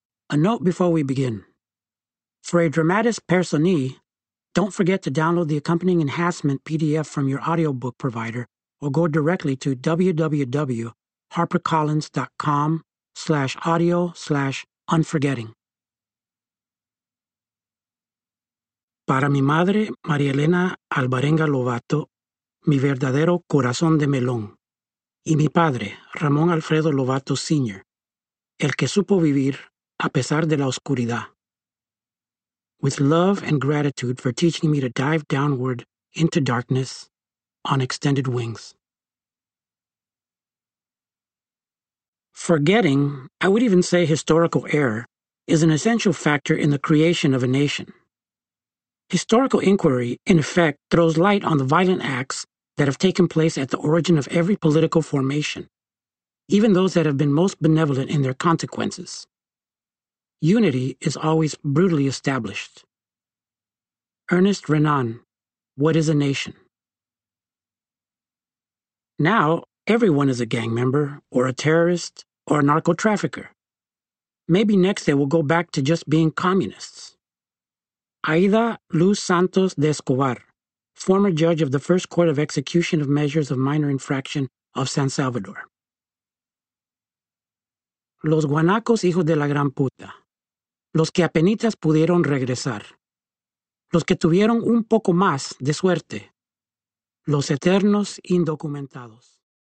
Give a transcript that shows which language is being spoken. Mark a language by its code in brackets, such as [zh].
[en] A note before we begin. For a dramatis personae, don't forget to download the accompanying enhancement PDF from your audiobook provider or go directly to www.harpercollins.com/audio/unforgetting. [es] Para mi madre, María Elena Alvarenga Lovato, mi verdadero corazón de melón, y mi padre, Ramón Alfredo Lovato Sr., el que supo vivir a pesar de la oscuridad. [en] With love and gratitude for teaching me to dive downward into darkness on extended wings. Forgetting, I would even say historical error, is an essential factor in the creation of a nation. Historical inquiry, in effect, throws light on the violent acts that have taken place at the origin of every political formation, even those that have been most benevolent in their consequences. Unity is always brutally established. Ernest Renan, What is a Nation? Now, everyone is a gang member, or a terrorist, or a narco-trafficker. Maybe next they will go back to just being communists. Aida Luz Santos de Escobar, former judge of the First Court of Execution of Measures of Minor Infraction of San Salvador. [es] Los guanacos hijos de la gran puta. Los que apenitas pudieron regresar. Los que tuvieron un poco más de suerte. Los eternos indocumentados.